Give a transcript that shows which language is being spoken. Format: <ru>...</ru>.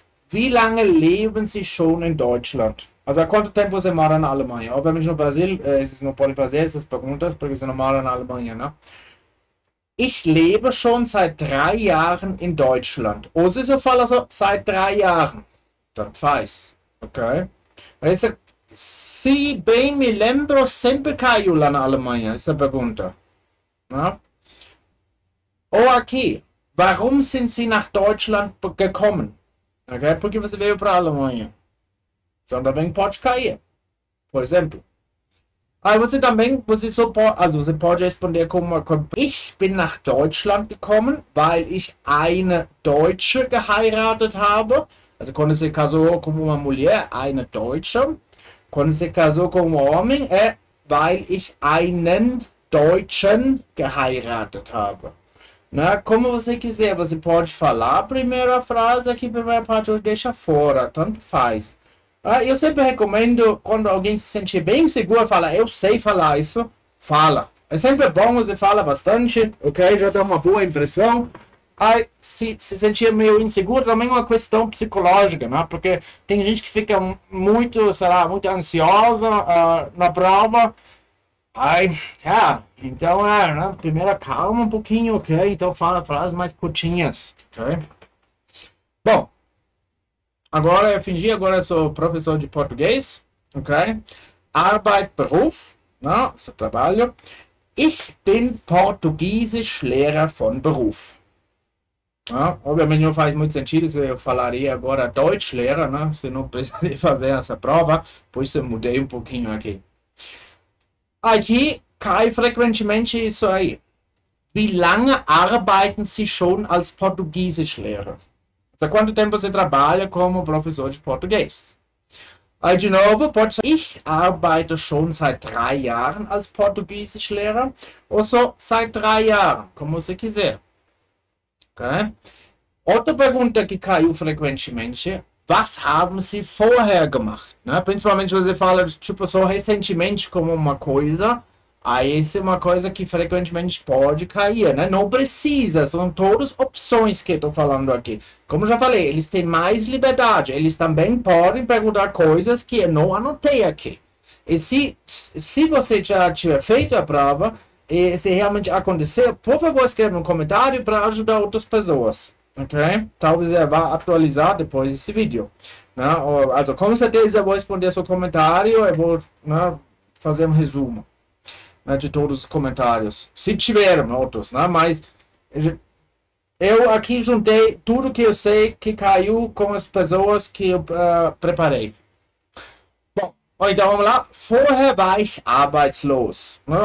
<de>Wie lange leben Sie schon in Deutschland?</de> <pt>Also, há quanto tempo você mora na Alemanha? Obviamente no Brasil, vocês não podem fazer essas perguntas, porque você não mora na Alemanha, né?</pt> <de>Ich lebe schon seit 3 Jahren in Deutschland.</de> <pt>Ou se eu falo so,</pt> <de>seit 3 Jahren,</de> <pt>dann faz, ok? Essa, se bem me lembro, sempre caiu lá na Alemanha, essa pergunta. Né? Ou aqui,</pt> <de>warum sind Sie nach Deutschland gekommen? Okay?</de> <pt>Porque você veio para a Alemanha. Só também pode cair, por exemplo. Aí você também, você, so, also você pode responder como...</pt> <de>Ich bin nach Deutschland gekommen, weil ich eine Deutsche geheiratet habe.</de> <pt>Also, quando se casou com uma mulher,</pt> <de>eine Deutsche.</de> <pt>Quando se casou com um homem, é</pt> <de>weil ich einen Deutschen geheiratet habe.</de> <pt>Na, como você quiser, você pode falar a primeira frase, aqui a primeira parte eu deixo fora, tanto faz. Eu sempre recomendo, quando alguém se sentir bem seguro, falar, eu sei falar isso, fala. É sempre bom, você fala bastante, ok? Já dá uma boa impressão. Aí, se sentia meio inseguro, também é uma questão psicológica, né? Porque tem gente que fica muito, sei lá, muito ansiosa na prova. Aí, então é, né? Primeiro calma um pouquinho, ok? Então fala frases mais curtinhas, ok? Bom, agora eu fingi, agora eu sou professor de português, ok?</pt> <de>Arbeit, Beruf,</de> <pt>né? Seu trabalho.</pt> <de>Ich bin portugiesisch Lehrer von Beruf.</de> <pt>Obviamente não faz muito sentido se eu falaria agora Deutschlehrer, né? Se não precisaria fazer essa prova, por isso eu mudei um pouquinho aqui. Aqui cai frequentemente isso aí.</pt> <de>Wie lange arbeiten Sie schon als Portugiesischlehrer?</de> <pt>Seit quanto tempo você trabalha como professor de português? Aí de novo, pode ser:</pt> <de>Ich arbeite schon seit 3 Jahren als Portugiesischlehrer.</de> <pt>Ou só</pt> <de>seit 3 Jahren,</de> <pt>como você quiser. Okay? Outra pergunta que caiu frequentemente:</pt> <de>Was haben Sie vorher gemacht?</de> <pt>Né? Principalmente você fala tipo só recentemente como uma coisa. Aí, isso é uma coisa que frequentemente pode cair, né? Não precisa, são todas opções que eu estou falando aqui. Como já falei, eles têm mais liberdade, eles também podem perguntar coisas que eu não anotei aqui. E se você já tiver feito a prova, e se realmente aconteceu, por favor, escreva um comentário para ajudar outras pessoas, ok? Talvez eu vá atualizar depois esse vídeo, né? Also, com certeza, eu vou responder seu comentário e vou, né, fazer um resumo. Né, de todos os comentários, se tiver outros, né? Mas eu aqui juntei tudo que eu sei que caiu com as pessoas que eu preparei. Bom, então vamos lá.</pt> <de>Vorher war ich arbeitslos, né?</de>